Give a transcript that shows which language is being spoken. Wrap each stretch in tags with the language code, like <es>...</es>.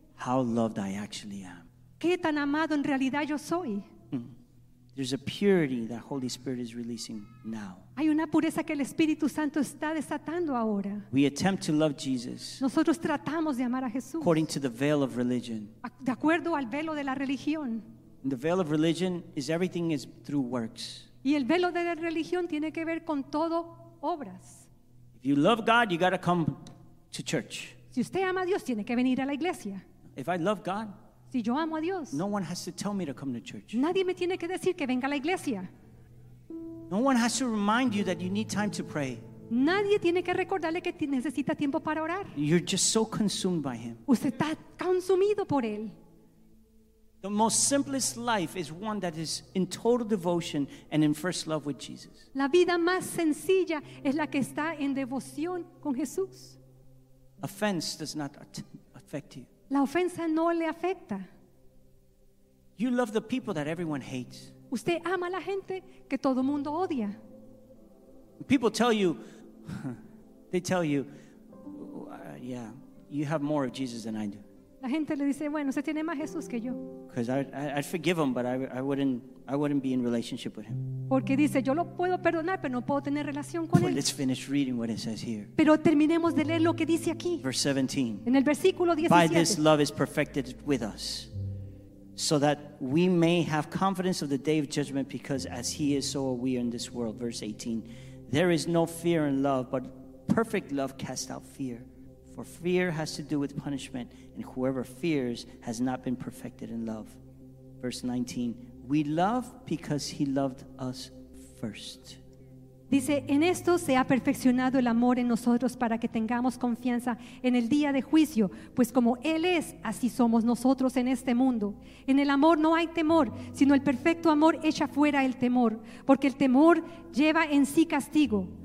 <en>How loved I actually am.</en> <es>Qué tan amado en realidad yo soy.</es> <en>There's a purity that Holy Spirit is releasing now.</en> <es>Hay una pureza que el Espíritu Santo está desatando ahora.</es> <en>We attempt to love Jesus.</en> <es>Nosotros tratamos de amar a Jesús.</es> <en>According to the veil of religion.</en> <es>De acuerdo al velo de la religión.</es> <en>And the veil of religion is everything is through works.</en> <es>Y el velo de la religión tiene que ver con todo obras.</es> <en>If you love God, you got to come to church.</en> <es>Si usted ama a Dios, tiene que venir a la iglesia.</es> <en>If I love God,</en> <es>si yo amo a Dios,</es> <en>no one has to tell me to come to church.</en> <es>Nadie me tiene que decir que venga a la iglesia.</es> <en>No one has to remind you that you need time to pray.</en> <es>Nadie tiene que recordarle que necesita tiempo para orar.</es> <en>You're just so consumed by him.</en> <es>Usted está consumido por él.</es> <en>The most simplest life is one that is in total devotion and in first love with Jesus.</en> <es>La vida más sencilla es la que está en devoción con Jesús.</es> <en>Offense does not affect you.</en> <es>La ofensa no le afecta.</es> <en>You love the people that everyone hates.</en> <es>Usted ama a la gente que todo mundo odia.</es> <en>People tell you, they tell you, yeah, you have more of Jesus than I do.</en> <es>La gente le dice, bueno, usted tiene más Jesús que yo.</es> <en>Because I'd forgive him, but I wouldn't be in relationship with him.</en> <es>Porque dice, yo lo puedo perdonar, pero no puedo tener relación con él.</es> <en>But let's finish reading what it says here.</en> <es>Pero terminemos de leer lo que dice aquí.</es> <en>Verse 17.</en> <es>En el versículo 17.</es> <en>By this love is perfected with us, so that we may have confidence of the day of judgment, because as he is, so are we in this world. Verse 18. There is no fear in love, but perfect love casts out fear. For fear has to do with punishment, and whoever fears has not been perfected in love. Verse 19, we love because he loved us first.</en> <es>Dice, en esto se ha perfeccionado el amor en nosotros para que tengamos confianza en el día de juicio, pues como él es, así somos nosotros en este mundo. En el amor no hay temor, sino el perfecto amor echa fuera el temor, porque el temor lleva en sí castigo.</es>